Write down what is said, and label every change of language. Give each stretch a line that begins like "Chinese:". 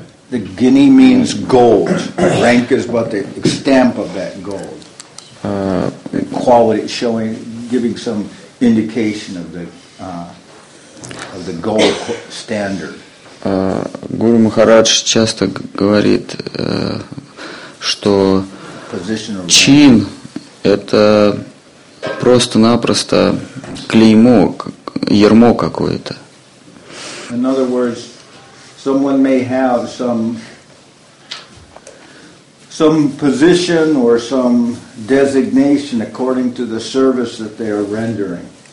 English: The guinea means gold. Rank is but the stamp of that gold. Quality showing, giving some indication of the gold standard.
Russian: Гуру Махарадж часто говорит, что чин это просто-напросто клеймо, ярмо какое-то.
English: In other words, someone may have some position or some designation according to the service that they are rendering.